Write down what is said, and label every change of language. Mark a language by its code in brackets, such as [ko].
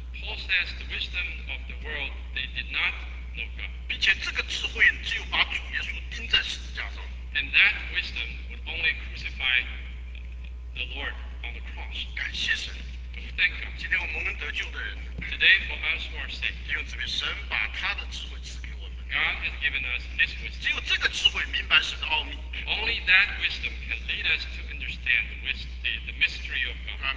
[en] Paul says the wisdom of the world, they did not know God. [zh] 并且这个智慧只有把主耶稣钉在十字架上。 [en] And that wisdom would only crucify the Lord on the cross. [zh] 感谢神。 [en] Thank God. [zh] 今天我们能得救的人。 [en] Today for us who are saved. [zh] 弟兄姊妹，神把他的智慧赐给我们。 [en] God has given us His wisdom. [zh] 只有这个智慧明白神的奥秘。 [en] Only that wisdom can lead us to understand the mystery of God.